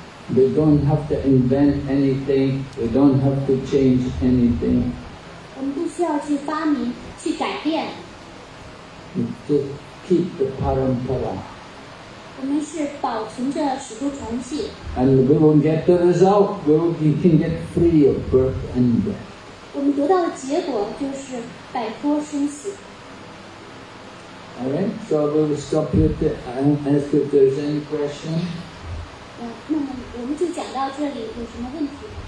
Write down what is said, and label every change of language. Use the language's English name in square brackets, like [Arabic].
[English] We don't have to invent anything. We don't have to change anything. [Chinese] 我们不需要去发明，去改变。 [English] Just keep the parampara. [Chinese] 我们是保存着始祖传系。 [English] And we will get the result. We can get free of birth and death. [Chinese] 我们得到的结果就是摆脱生死。 [English] All right, so I will stop here to ask if there's any question. [Chinese] 那么我们就讲到这里，有什么问题？